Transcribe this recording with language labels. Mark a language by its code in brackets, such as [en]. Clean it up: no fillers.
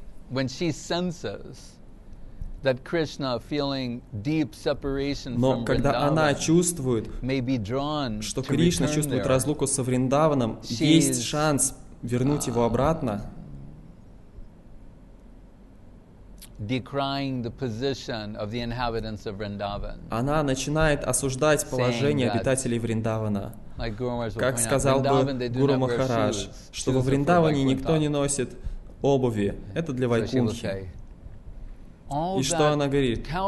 [ru] Но когда она чувствует, что Кришна чувствует разлуку со Вриндаваном, есть шанс вернуть его обратно, [en] decrying the position of the inhabitants of Vrindavan. [ru] Она начинает осуждать положение обитателей Вриндавана. Как сказал бы Гуру Махарадж, что во Вриндаване никто не носит обуви. Это для Вайкунхи. И что она говорит?